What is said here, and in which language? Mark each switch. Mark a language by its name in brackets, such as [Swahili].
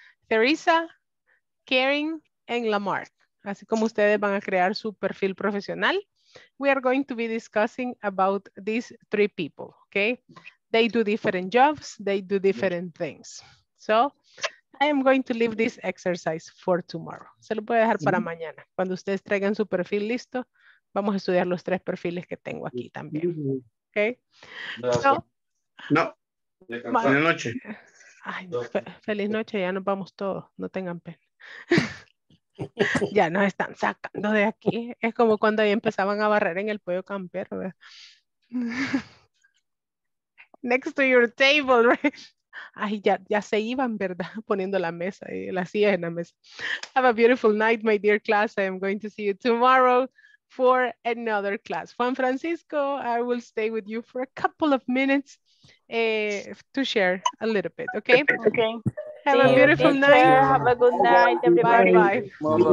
[English] Teresa, Karen, and Lamarck. [Spanish] Así como ustedes van a crear su perfil profesional, [English] we are going to be discussing about these 3 people, okay? They do different jobs, they do different things. So I am going to leave this exercise for tomorrow. [Spanish] Se lo voy a dejar para mañana. Cuando ustedes traigan su perfil listo, vamos a estudiar los 3 perfiles que tengo aquí también, okay? So, no, buenas noches. Ay, feliz noche, ya nos vamos todos, no tengan pena. Ya nos están sacando de aquí. Es como cuando ahí empezaban a barrer en el pollo campero. [English] Next to your table, right? [Spanish] Ay, ya se iban, ¿verdad? Poniendo la mesa y la silla en la mesa. [English] Have a beautiful night, my dear class. I am going to see you tomorrow for another class. Juan Francisco, I will stay with you for a couple of minutes to share a little bit, okay? Okay. Have a beautiful night. Care. Have a good night, everybody. Bye-bye.